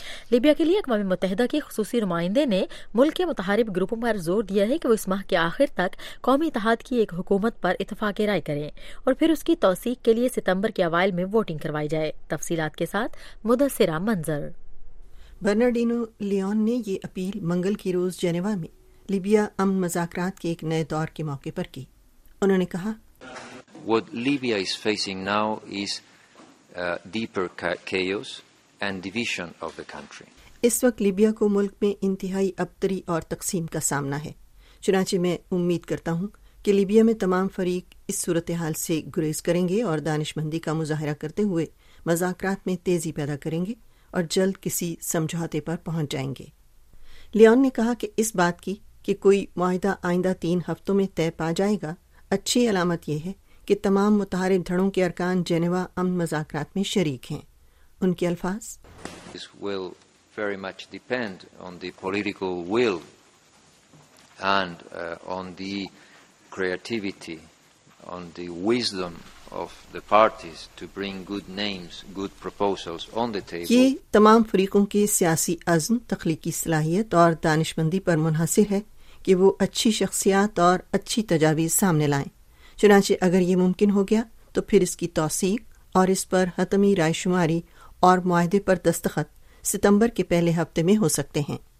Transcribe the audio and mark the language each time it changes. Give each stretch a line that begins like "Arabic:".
Urdu: Libya کے لیے اقوام متحدہ کے خصوصی نمائندے نے ملک کے متحارب گروپوں پر زور دیا ہے کہ وہ اس ماہ کے آخر تک قومی اتحاد کی ایک حکومت پر اتفاق رائے کریں، اور پھر اس کی توثیق کے لیے ستمبر کے اوائل میں ووٹنگ کروائی جائے۔ تفصیلات کے ساتھ مدثرہ منظر۔ برنارڈینو لیون نے یہ اپیل منگل کی روز جنیوا میں لیبیا امن مذاکرات کے ایک نئے دور کے موقع پر کی۔ انہوں نے کہا،
English: What Libya is facing now is deeper chaos and division of the country.
Urdu: اس وقت لیبیا کو ملک میں انتہائی ابتری اور تقسیم کا سامنا ہے، چنانچہ میں امید کرتا ہوں کہ لیبیا میں تمام فریق اس صورتحال سے گریز کریں گے اور دانشمندی کا مظاہرہ کرتے ہوئے مذاکرات میں تیزی پیدا کریں گے اور جلد کسی سمجھوتے پر پہنچ جائیں گے۔ لیون نے کہا کہ اس بات کی کہ کوئی معاہدہ آئندہ 3 ہفتوں میں طے پا جائے گا اچھی علامت یہ ہے کہ تمام متحارب دھڑوں کے ارکان جنیوا امن مذاکرات میں شریک ہیں۔ ان کے الفاظ،
English: This will very much depend on the political will and on the creativity, on the wisdom of the parties to bring good names, good proposals on the table.
Urdu: یہ تمام فریقوں کے سیاسی عزم، تخلیقی صلاحیت اور دانشمندی پر منحصر ہے کہ وہ اچھی شخصیات اور اچھی تجاویز سامنے لائیں۔ چنانچہ اگر یہ ممکن ہو گیا تو پھر اس کی توثیق اور اس پر حتمی رائے شماری اور معاہدے پر دستخط ستمبر کے پہلے ہفتے میں ہو سکتے ہیں۔